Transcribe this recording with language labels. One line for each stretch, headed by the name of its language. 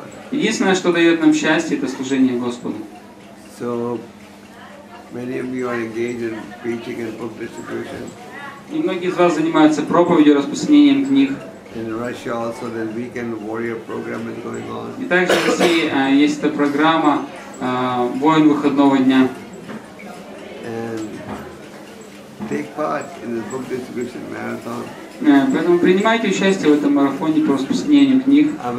Russian: Единственное, что дает нам счастье, это служение Господу.
English: So many of you are engaged in preaching and book distribution.
Russian: И многие из вас занимаются проповедью, распространением книг.
English: In Russia also, the Weekend Warrior program is going on.
Russian: И также в России есть эта программа «Воин выходного дня».
English: And take part in the book distribution marathon.
Russian: Поэтому принимайте участие в этом марафоне по распространению книг.